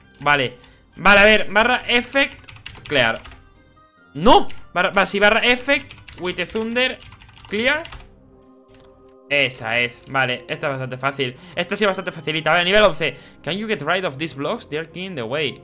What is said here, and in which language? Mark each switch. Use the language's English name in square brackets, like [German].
[Spanish] Vale, vale, a ver, barra effect. Clear. No. [English] Barra effect with the thunder clear. [Spanish] Esa es, vale, esta es bastante fácil. Esta sí es bastante facilita, vale, nivel 11. [English] Can you get rid of these blocks? They're getting in the way.